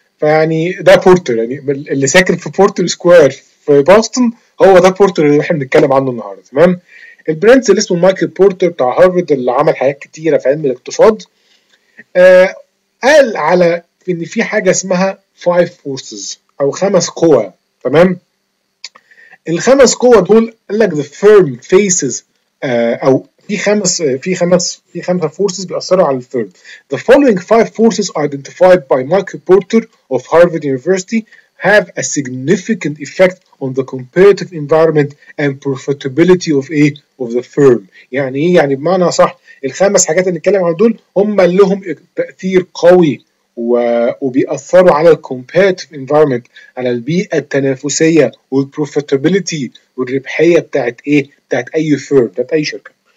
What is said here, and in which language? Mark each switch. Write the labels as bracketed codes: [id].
[ar] فيعني ده بورتر، يعني اللي ساكن في بورتر سكوير في بوسطن هو ده بورتر اللي احنا بنتكلم عنه النهارده، تمام؟ البرنس اللي اسمه مايكل بورتر بتاع هارفارد، اللي عمل حاجات كتيره في علم الاقتصاد، قال على ان في حاجه اسمها فايف فورسز او خمس قوى، تمام؟ الخمس قوى دول قال لك [en] the firm faces [ar] او في خمس forces بيأثروا على الفيرم. [en] The following five forces identified by Michael Porter of Harvard University have a significant effect on the competitive environment and profitability of a of the firm. [ar] يعني ايه؟ يعني بمعنى صح، الخمس حاجات اللي نتكلم عن دول هم لهم تأثير قوي وبيأثروا على الـ [en] competitive environment، [ar] على البيئة التنافسية والـ profitability والربحية بتاعت إيه؟ بتاعت أي firm، بتاعت أي شركة.